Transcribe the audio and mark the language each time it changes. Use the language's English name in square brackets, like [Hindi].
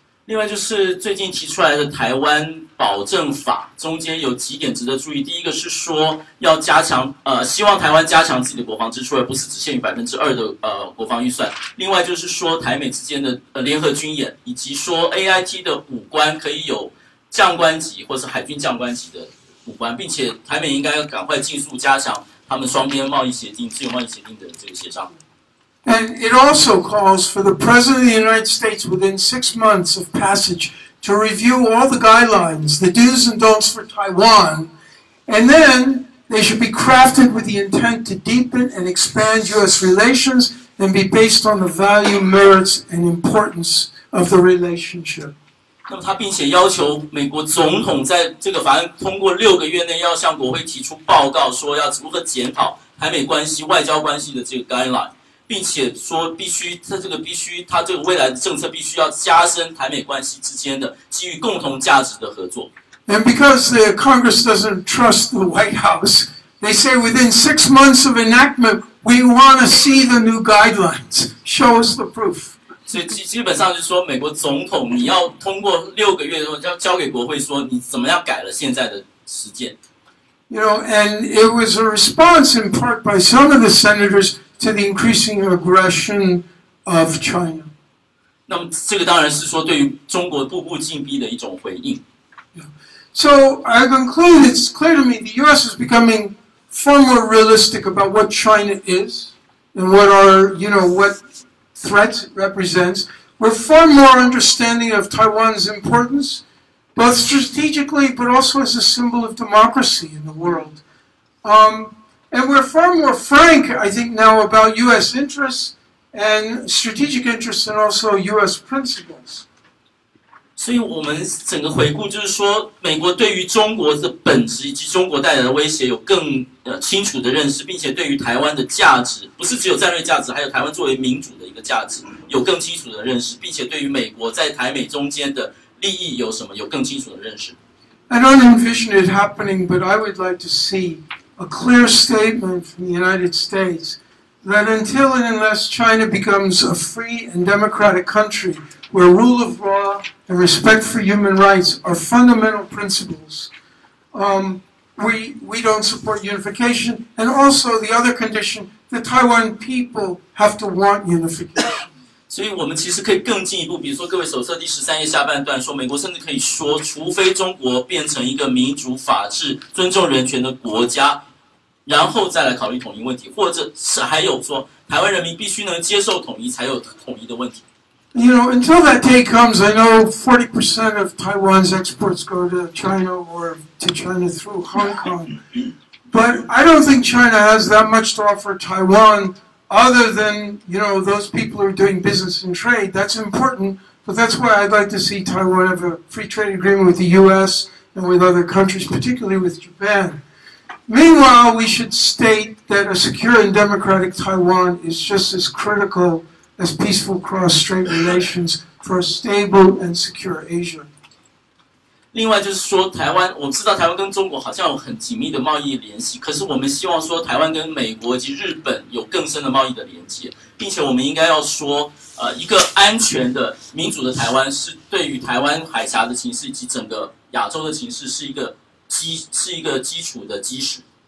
[Chinese] 另外就是最近提出来的台湾保证法，中间有几点值得注意。第一个是说要加强，希望台湾加强自己的国防支出，而不是只限于2%的国防预算。另外就是说台美之间的联合军演，以及说 AIT 的武官可以有将官级或是海军将官级的武官，并且台美应该赶快尽速加强他们双边贸易协定、自由贸易协定的这个协商。 [English] And it also calls for the President of the United States within 6 months of passage. To review all the guidelines, the do's and don'ts for Taiwan, and then they should be crafted with the intent to deepen and expand U.S. relations and be based on the value, merits, and importance of the relationship. [Chinese] 那么他并且要求美国总统在这个法案通过6个月内要向国会提出报告，说要如何检讨台美关系、外交关系的这个 guideline。并且说必须，他这个未来的政策必须要加深台美关系之间的基于共同价值的合作。 [English] And because the Congress doesn't trust the White House, they say within 6 months of enactment, we want to see the new guidelines. Show us the proof. [Chinese] 所以基本上就是说，美国总统你要通过6个月之后要交给国会，说你怎么样改了现在的实践。 [English] You know, and it was a response in part by some of the senators. To the increasing aggression of China. [Chinese] 那么这个当然是说对于中国步步进逼的一种回应。 [English] So I conclude, it's clear to me the U.S. is becoming far more realistic about what China is and what threat represents. We're far more understanding of Taiwan's importance, both strategically but also as a symbol of democracy in the world. And we're far more frank, I think, now about U.S. interests and strategic interests and also U.S. principles. [Chinese] 所以我们整个回顾就是说美国对于中国的本质以及中国带来的威胁有更清楚的认识，并且对于台湾的价值，不是只有战略价值，还有台湾作为民主的一个价值，有更清楚的认识，并且对于美国在台美中间的利益有什么，有更清楚的认识。 [English] I don't envision it happening, but I would like to see... A clear statement from the United States that until and unless China becomes a free and democratic country where rule of law and respect for human rights are fundamental principles, we don't support unification. And also the other condition, the Taiwan people have to want unification. [Chinese] 所以我们其实可以更进一步，比如说各位手册第13页下半段说，美国甚至可以说，除非中国变成一个民主、法治、尊重人权的国家。然后再来考虑统一问题，或者是还有说，台湾人民必须能接受统一，才有统一的问题。 [English] You know, until that day comes, I know 40% of Taiwan's exports go to China or to China through Hong Kong. But I don't think China has that much to offer Taiwan other than, you know, those people who are doing business and trade. That's important, but that's why I'd like to see Taiwan have a free trade agreement with the U.S. and with other countries, particularly with Japan. Meanwhile, we should state that a secure and democratic Taiwan is just as critical as peaceful cross-strait relations for a stable and secure Asia. [Chinese] 另外就是说台湾，我们知道台湾跟中国好像有很紧密的贸易联系，可是我们希望说台湾跟美国及日本有更深的贸易的连接，并且我们应该要说一个安全的民主的台湾是对于台湾海峡的情势以及整个亚洲的情势是一个基础的基石。